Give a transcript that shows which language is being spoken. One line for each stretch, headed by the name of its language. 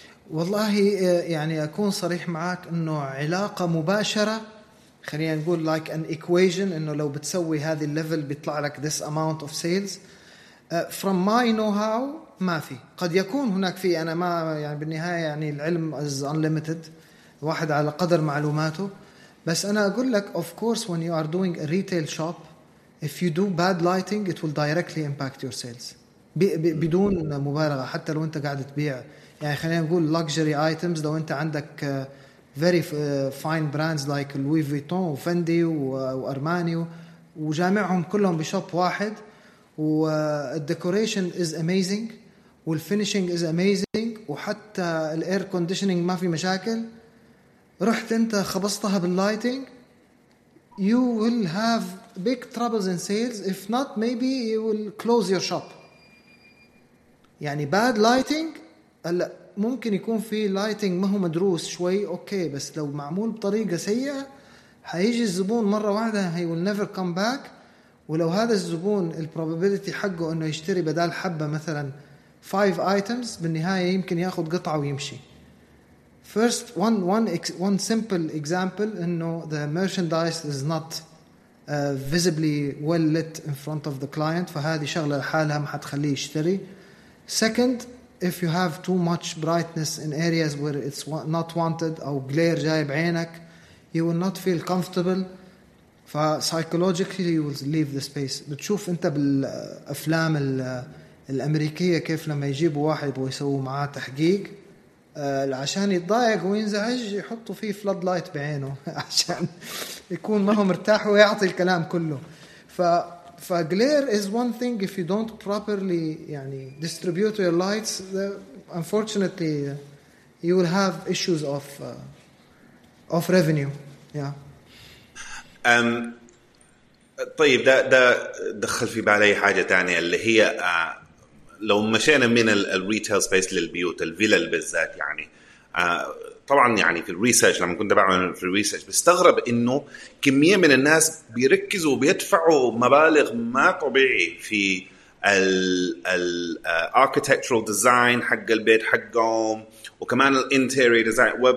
Arabic: والله يعني أكون صريح معك إنه علاقة مباشرة، خلينا نقول
English: like an equation
Arabic: إنه لو بتسوي هذه الليفل بيطلع لك
English: this amount of sales. From my know-how
Arabic: ما في، قد يكون هناك في، أنا ما يعني بالنهاية يعني العلم
English: is unlimited،
Arabic: واحد على قدر معلوماته. بس أنا أقول لك
English: of course when you are doing a retail shop if you do bad lighting it will directly impact your sales
Arabic: بدون مبالغة، حتى لو أنت قاعد تبيع يعني خلينا نقول
English: luxury items،
Arabic: لو أنت عندك
English: very fine brands like Louis Vuitton وفندي وأرماني
Arabic: وجامعهم كلهم بشوب واحد
English: والديكوريشن is amazing والفينيشنج is amazing
Arabic: وحتى الاير كونديشنينج ما في مشاكل، رحت انت خبصتها باللايتنج
English: you will have big troubles in sales if not maybe you will close your shop.
Arabic: يعني
English: bad lighting
Arabic: لا، ممكن يكون في لايتنج ما هو مدروس شوي اوكي، بس لو معمول بطريقه سيئه حيجي الزبون مره واحده هي
English: will never come back.
Arabic: ولو هذا الزبون البروبابيليتي حقه انه يشتري بدال حبه مثلا 5 items بالنهايه يمكن ياخذ قطعه ويمشي.
English: First one simple example انه the merchandise is not visibly well lit in front of the client،
Arabic: فهذه شغله لحالها ما حتخليه يشتري.
English: Second if you have too much brightness in areas where it's not wanted أو glare
Arabic: جاي بعينك
English: you will not feel comfortable ف psychologically you will leave the space.
Arabic: بتشوف انت بالأفلام الأمريكية كيف لما يجيبوا واحد ويسووا معاه تحقيق عشان يتضايق وينزعج يحطوا فيه فلود لايت بعينه عشان يكون ما هو مرتاح ويعطي الكلام كله.
English: ف glare is one thing if you don't properly يعني distribute your lights, unfortunately you will have issues of of revenue. Yeah.
Arabic: طيب ده دخل في بالي حاجة تانية اللي هي لو مشينا من الريتيل سبيس للبيوت الفيلل بالذات يعني طبعا يعني في الريسيرش لما كنت بعمل في الريسيرش بستغرب انه كمية من الناس بيركزوا وبيدفعوا مبالغ ما طبيعي في الاركيتكتشرال ديزاين حق البيت حقهم وكمان الانتيري ديزاين,